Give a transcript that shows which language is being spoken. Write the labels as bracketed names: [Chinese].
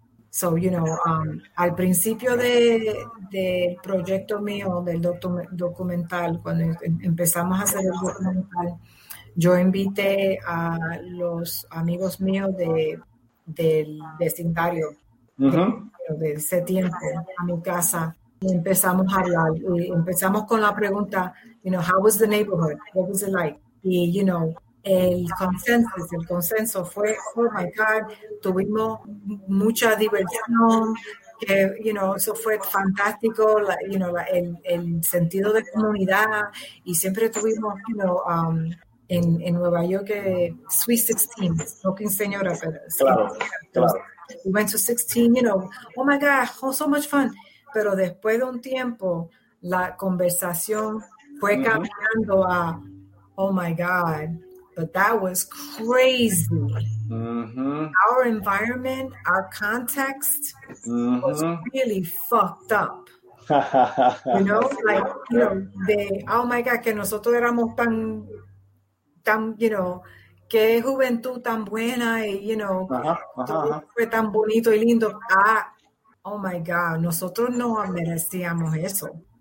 [Spanish] So, al principio del proyecto mío, del documental, cuando empezamos a hacer el documental, yo invité a los amigos míos del vecindario de ese tiempo a mi casa y empezamos a hablar. Y empezamos con la pregunta, [English] how was the neighborhood? What was it like? [Spanish] Y, el consenso fue, [English] oh my God, [Spanish] tuvimos mucha diversión, eso fue fantástico, el sentido de comunidad, y siempre tuvimos, en Nueva York, Sweet 16, Smoking Señora, pero claro, claro. [English] We went to 16, oh my God, oh, so much fun. [Spanish] Pero después de un tiempo, la conversación fue cambiando a, [English] oh my God, but that was crazy. Our environment, our context was really fucked up. oh my God, [Spanish] que nosotros éramos tan, qué juventud tan buena y fue tan bonito y lindo. [English] Oh my God, [Spanish] nosotros no merecíamos eso.